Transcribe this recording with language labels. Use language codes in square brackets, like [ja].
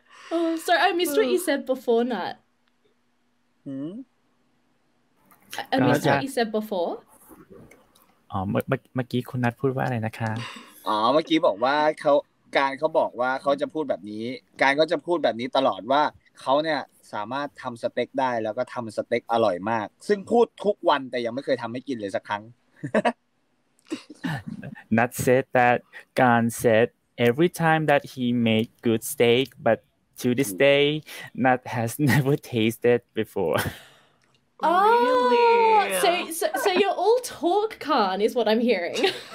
[en] Oh, sorry, I missed what you said before, Nut. Hmm? I missed what you said before. [th] เมื่อกี้คุณนัทพูดว่าอะไรนะคะ เมื่อกี้บอกว่าเขาจะพูดแบบนี้การเขาจะพูดแบบนี้ตลอดว่าเขาเนี่ยสามารถทำสเต็กได้แล้วก็ทำสเต็กอร่อยมาก ซึ่งพูดทุกวันแต่ยังไม่เคยทำให้กินเลยสักครั้ง [en] Nut said that Karn said every time that he made good steak but to this day Nut has never tasted before. Oh, really? So you're all talk, Karn, is what I'm hearing.